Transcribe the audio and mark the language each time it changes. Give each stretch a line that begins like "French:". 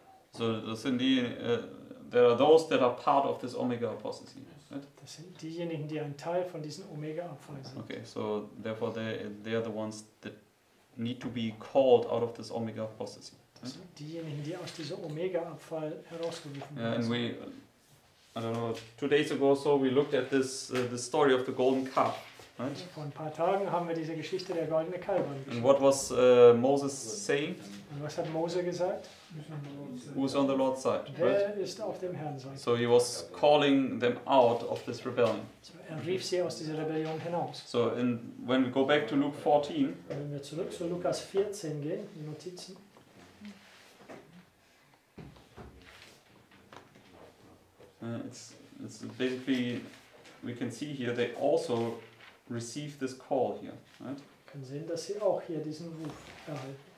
English: So,
German: das sind die,
English: there are those that are part of this Omega apostasy.
German: Das sind diejenigen, die ein Teil von diesem Omega-Abfall sind.
English: Okay, so therefore they are the ones that need to be called out of this Omega apostasy.
German: Diejenigen, die aus diesem Omega-Abfall herausgerufen werden.
English: And we, I don't know, 2 days ago or so, we looked at this the story of the golden calf. Right?
German: Vor ein paar Tagen haben wir diese Geschichte der goldenen Kalb.
English: And what was Moses saying?
German: Und was hat Mose gesagt?
English: Who's on the Lord's side?
German: Wer
English: right?
German: ist auf dem Herrn's Seite?
English: So he was calling them out of this rebellion.
German: So er rief sie aus dieser Rebellion hinaus.
English: So in, when we go back to Luke 14.
German: Wenn wir zurück zu Lukas 14 gehen, die Notizen.
English: It's basically, we can see here, they also receive this call here, right?
German: Wir können sehen, dass sie auch hier diesen Ruf erhalten.